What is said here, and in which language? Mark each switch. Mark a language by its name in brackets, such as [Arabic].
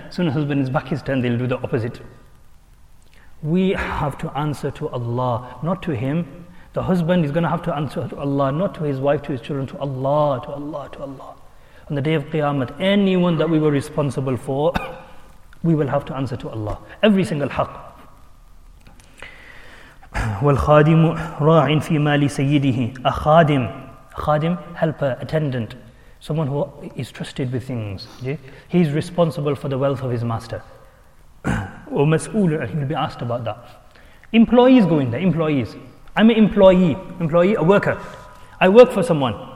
[English] As soon as the husband is back his turn, they'll do the opposite. We have to answer to Allah, not to him. The husband is going to have to answer to Allah, not to his wife, to his children, to Allah, to Allah, to Allah. On the day of Qiyamah, anyone that we were responsible for, we will have to answer to Allah. Every single haqq. [Arabic] والخادم راع في مال سيده a khadim. [English] Khadim, helper, attendant. Someone who is trusted with things. He is responsible for the wealth of his master. ومسؤول, he will be asked about that. Employees go in there, employees. I'm an employee, a worker. I work for someone.